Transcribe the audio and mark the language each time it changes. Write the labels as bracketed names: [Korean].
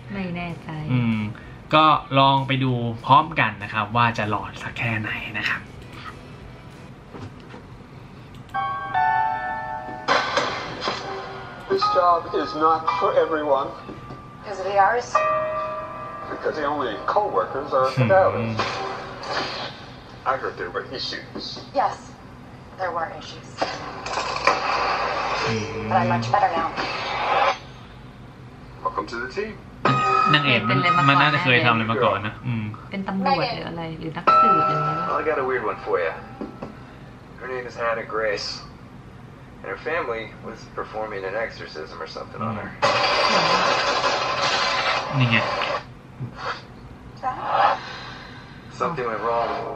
[Thai] ไม่แน่ใจ ก็ลองไปดูพร้อมกันนะครับว่าจะหลอนสักแค่ไหนนะครับ [English] This job is not for everyone. Is it ours? Because the only co-workers are cadavers. I heard there were issues. Yes, there were issues. But I'm much better now. Welcome to the team. [Thai] นางเอกมันน่าจะเคยทำอะไรมาก่อนนะ เป็นตำรวจหรืออะไรหรือนักสืบอะไรนะ [English] I got a weird one for you. Her name is Hannah Grace, and her family was performing an exorcism or something on her. [Thai] นี่ไง [English] Something went wrong.